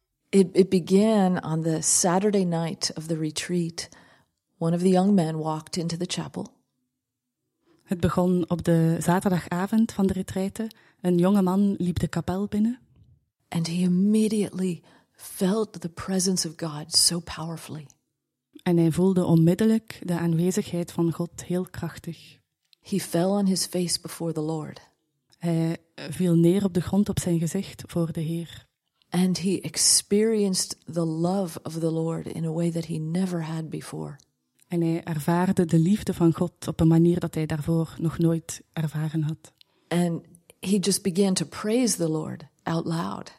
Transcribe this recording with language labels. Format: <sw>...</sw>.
<en>It began on the Saturday night of the retreat. One of the young men walked into the chapel.</en> <nl>Het begon op de zaterdagavond van de retraite. Een jonge man liep de kapel binnen.</nl> <en>And he immediately felt the presence of God so powerfully.</en> <nl>En hij voelde onmiddellijk de aanwezigheid van God heel krachtig.</nl> <en>He fell on his face before the Lord.</en> <nl>Hij viel neer op de grond op zijn gezicht voor de Heer.</nl> <en>And he experienced the love of the Lord in a way that he never had before.</en> <nl>En hij ervaarde de liefde van God op een manier dat hij daarvoor nog nooit ervaren had.</nl> <en>And he just began to praise the Lord out loud.</en>